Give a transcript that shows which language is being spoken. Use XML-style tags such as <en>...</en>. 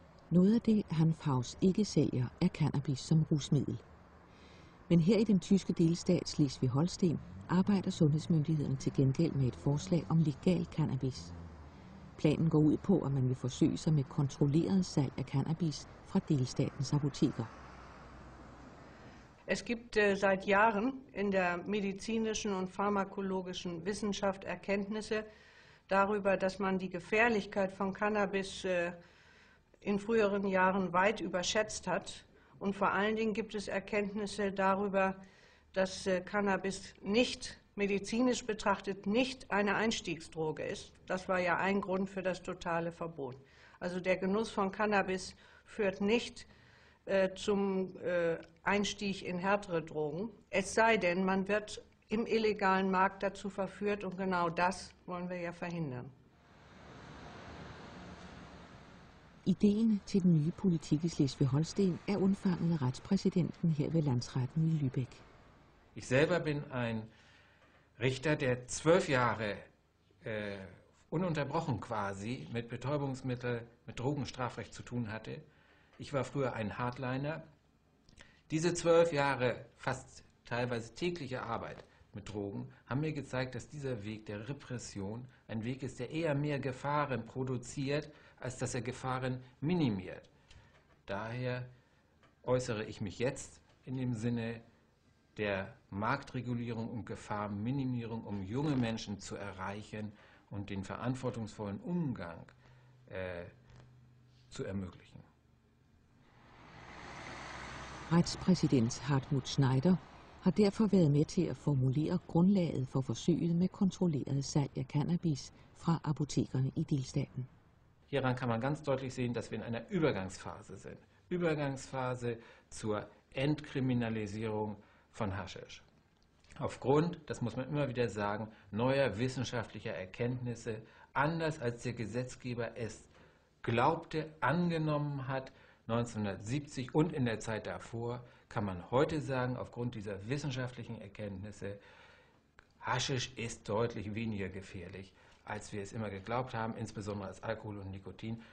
<da>Noget af det, Hanfhaus ikke sælger, er cannabis som rusmiddel. Men her i den tyske delstat Schleswig-Holstein arbejder sundhedsmyndighederne til gengæld med et forslag om legal cannabis. Planen går ud på, at man vil forsøge sig med kontrolleret salg af cannabis fra delstatens apoteker.</da> <de>Es gibt seit Jahren in der medizinischen und pharmakologischen Wissenschaft Erkenntnisse darüber, dass man die Gefährlichkeit von Cannabis in früheren Jahren weit überschätzt hat. Und vor allen Dingen gibt es Erkenntnisse darüber, dass Cannabis nicht medizinisch betrachtet nicht eine Einstiegsdroge ist. Das war ja ein Grund für das totale Verbot. Also der Genuss von Cannabis führt nicht zum Einstieg in härtere Drogen. Es sei denn, man wird im illegalen Markt dazu verführt und genau das wollen wir ja verhindern.</de> <da>Ideen til den nye politik i Schleswig-Holstein er undfanget af retspræsidenten her ved landsretten i Lübeck.</da> <de>Ich selber bin ein Richter, der 12 Jahre ununterbrochen quasi mit Betäubungsmittel, mit Drogenstrafrecht zu tun hatte. Ich war früher ein Hardliner. Diese 12 Jahre fast teilweise tägliche Arbeit mit Drogen haben mir gezeigt, dass dieser Weg der Repression ein Weg ist, der eher mehr Gefahren produziert, als dass er Gefahren minimiert. Daher äußere ich mich jetzt in dem Sinne der Marktregulierung und Gefahrenminimierung, um junge Menschen zu erreichen und den verantwortungsvollen Umgang zu ermöglichen.</de> <da>Retspräsident Hartmut Schneider har derfor været med til at formulere grundlaget for forsøget med kontrolleret salg af cannabis fra apotekerne i delstaten.</da> <de>Hieran kann man ganz deutlich sehen, dass wir in einer Übergangsphase sind. Übergangsphase zur Entkriminalisierung von Haschisch. Aufgrund, das muss man immer wieder sagen, neuer wissenschaftlicher Erkenntnisse, anders als der Gesetzgeber es glaubte, angenommen hat, 1970 und in der Zeit davor, kann man heute sagen, aufgrund dieser wissenschaftlichen Erkenntnisse, Haschisch ist deutlich weniger gefährlich, als wir es immer geglaubt haben, insbesondere als Alkohol und Nikotin.</de>